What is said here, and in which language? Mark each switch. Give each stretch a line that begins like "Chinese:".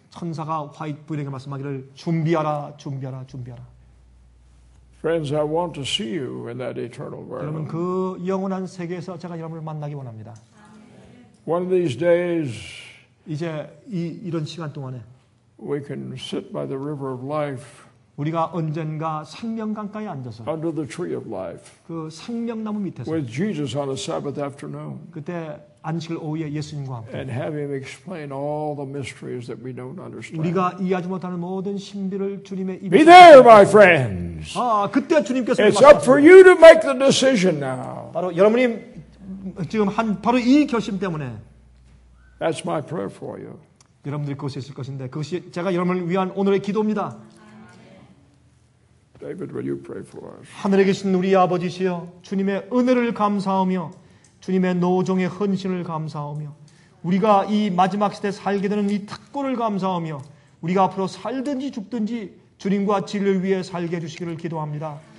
Korean: 천사가 화이트 부인에게 말씀하기를 준비하라, 준비하라, 준비하라.
English: Friends, I want to see you in that eternal world.
Korean: 여러분 그 영원한 세계에서 제가 여러분을 만나기 원합니다.
English: One of these days,
Korean: 이제 이런 시간 동안에,
English: we can sit by the river of life.
Korean: 우리가 언젠가 생명 강가에 앉아서
English: Under the tree of life,
Korean: 그 생명나무 밑에서
English: with Jesus on a Sabbath afternoon,
Korean: 그때 안식일 오후에 예수님과 함께
English: and have him explain all the mysteries that we don't understand.
Korean: 우리가 이해하지 못하는 모든 신비를 주님의 입에
English: Be there, my friends.
Korean: 아, 그때 주님께서
English: It's up for you to make the decision now.
Korean: 바로 여러분이 지금 한 바로 이 결심 때문에
English: That's my prayer for you.
Korean: 여러분들 그곳에 있을 것인데 그것이 제가 여러분을 위한 오늘의 기도입니다.
English: David, will you pray for us?
Korean: 하늘에 계신 우리 아버지시여, 주님의 은혜를 감사하며, 주님의 노종의 헌신을 감사하며, 우리가 이 마지막 시대 살게 되는 이 특권을 감사하며, 우리가 앞으로 살든지 죽든지 주님과 진리를 위해 살게 해주시기를 기도합니다.